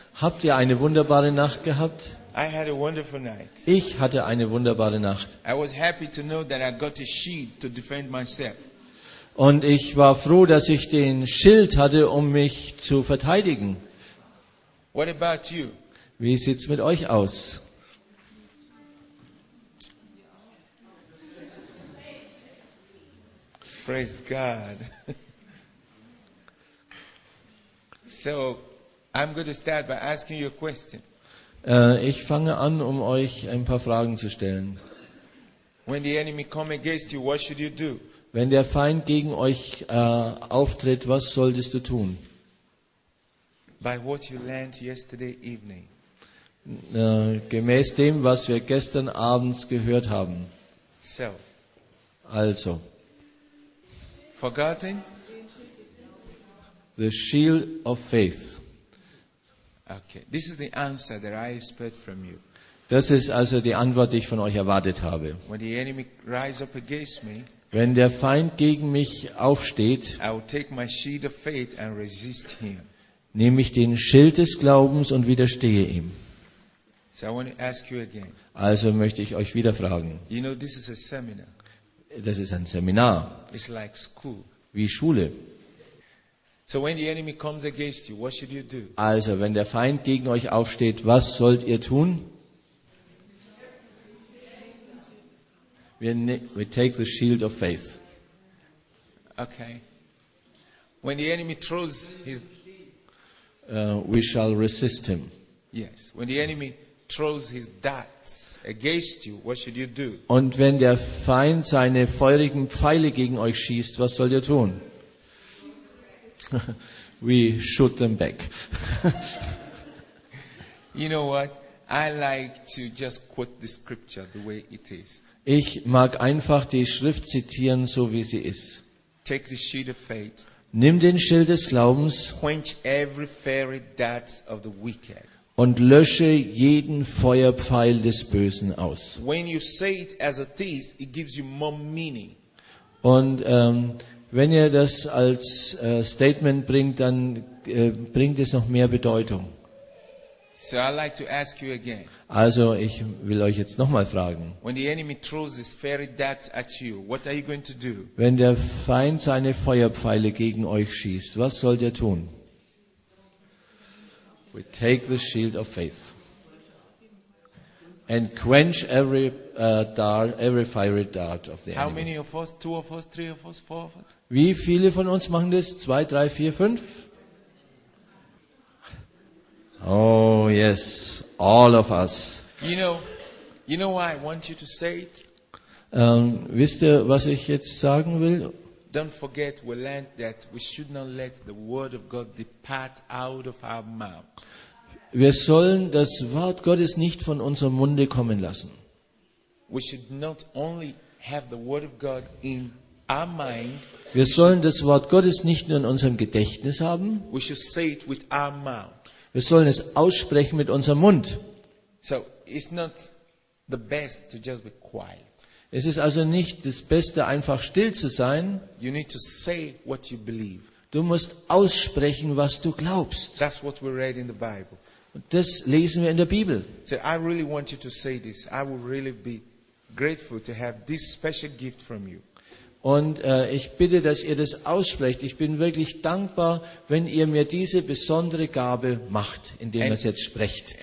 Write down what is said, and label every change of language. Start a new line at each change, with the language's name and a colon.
German: Habt ihr eine wunderbare Nacht gehabt?
English: I had a wonderful night.
German: Ich hatte eine wunderbare Nacht.
English: I was happy to know that I got a shield to defend myself.
German: Und ich war froh, dass ich den Schild hatte, um mich zu verteidigen.
English: What about you?
German: Wie sieht's mit euch aus?
English: Praise God. So, I'm going to start by asking you a question.
German: Ich fange an, um euch ein paar Fragen zu stellen.
English: When the enemy come against you, what should you do?
German: Wenn der Feind gegen euch auftritt, was solltest du tun?
English: By what you learned yesterday evening.
German: Gemäß dem, was wir gestern abends gehört haben.
English: So.
German: Also.
English: Forgotten? The shield of faith. Okay. This is the answer that I expect from you.
German: Das ist also die Antwort, die ich von euch erwartet habe.
English: When the enemy rise up against me,
German: wenn der Feind gegen mich aufsteht,
English: I will take my shield of faith and resist him.
German: Nehme ich den Schild des Glaubens und widerstehe ihm.
English: So I want to ask you again.
German: Also möchte ich euch wieder fragen.
English: You know, this is a seminar.
German: Das ist ein Seminar.
English: It's like school.
German: Wie Schule.
English: So when the enemy comes against you, what should you do?
German: Also, wenn der Feind gegen euch aufsteht, was sollt ihr tun?
English: We take the shield of faith. Okay. When the enemy throws his... We shall resist him. Yes. When the enemy throws his darts against you, what should you do?
German: Und wenn der Feind seine feurigen Pfeile gegen euch schießt, was sollt ihr tun?
English: We shoot them back. You know what? I like to just quote the scripture the way it is.
German: Ich mag einfach die Schrift zitieren, so wie sie ist.
English: Take the shield of faith.
German: Nimm den Schild des Glaubens.
English: Quench every fiery dart of the wicked.
German: Und lösche jeden Feuerpfeil des Bösen aus.
English: When you say it as it is, it gives you more meaning.
German: Und wenn ihr das als Statement bringt, dann bringt es noch mehr Bedeutung.
English: So I'd like to ask you again.
German: Also, ich will euch jetzt nochmal fragen.
English: When the enemy throws his fiery dart at you, what are you going to do? Wenn der Feind seine Feuerpfeile gegen euch schießt, was sollt ihr tun? We take the shield of faith and quench every fiery dart of the enemy. How many of us? Two of us? Three of us? Four of us?
German: Wie viele von uns machen das? Zwei, drei, vier, fünf?
English: Oh yes, all of us. You know why I want you to say it?
German: Wisst ihr, was ich jetzt sagen will?
English: Don't forget we learned that we should not let the word of God depart out of our mouth.
German: Wir sollen das Wort Gottes nicht von unserem Munde kommen lassen.
English: We should not only have the word of God in our mind.
German: Wir sollen das Wort Gottes nicht nur in unserem Gedächtnis haben.
English: We should say it with our mouth.
German: Wir sollen es aussprechen mit unserem Mund.
English: So, it's not the best to just be quiet.
German: Es ist also nicht das Beste, einfach still zu sein.
English: You need to say what you believe.
German: Du musst aussprechen, was du glaubst.
English: That's what we read in the Bible.
German: Und das lesen wir in der Bibel.
English: So, I really want you to say this. I would really be grateful to have this special gift from you.
German: Und ich bitte, dass ihr das aussprecht. Ich bin wirklich dankbar, wenn ihr mir diese besondere Gabe macht, indem ihr es jetzt sprecht.